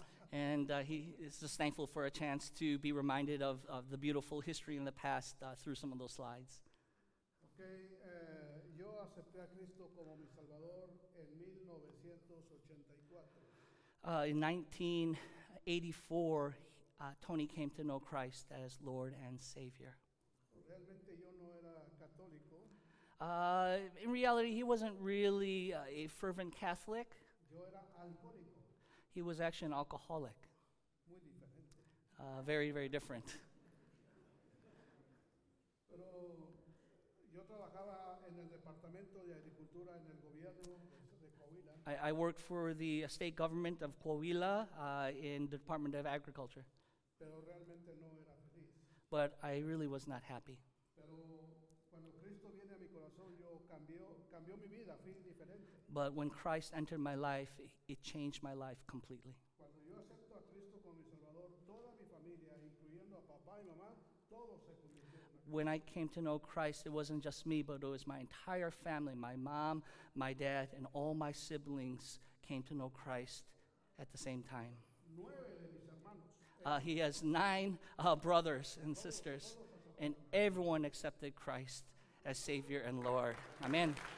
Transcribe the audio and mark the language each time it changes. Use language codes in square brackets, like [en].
[en] And he is just thankful for a chance to be reminded of the beautiful history in the past through some of those slides. [es] Okay, yo acepté a Cristo como mi Salvador en 1984. [en] In 1984, Tony came to know Christ as Lord and Savior. [es] Realmente yo no era católico. [en] In reality, he wasn't really a fervent Catholic. [es] Yo era alcohólico. [en] He was actually an alcoholic. [es] Muy diferente. [en] Very, very different. [es] Pero yo trabajaba en el Departamento de Agricultura en el gobierno de Coahuila. [en] I worked for the state government of Coahuila in the Department of Agriculture. [es] Pero realmente no era feliz. [en] But I really was not happy. [es] Pero cuando Cristo viene a mi corazón, yo cambió mi vida, fui diferente. [en] But when Christ entered my life, it changed my life completely. [es] Cuando yo acepto a Cristo como mi Salvador, toda mi familia, incluyendo a papá y mamá, todos se convirtieron. [en] When I came to know Christ, it wasn't just me, but it was my entire family. My mom, my dad, and all my siblings came to know Christ at the same time. [es] Nueve de mis hermanos. [en] He has nine brothers and sisters, and everyone accepted Christ as Savior and Lord. Amen.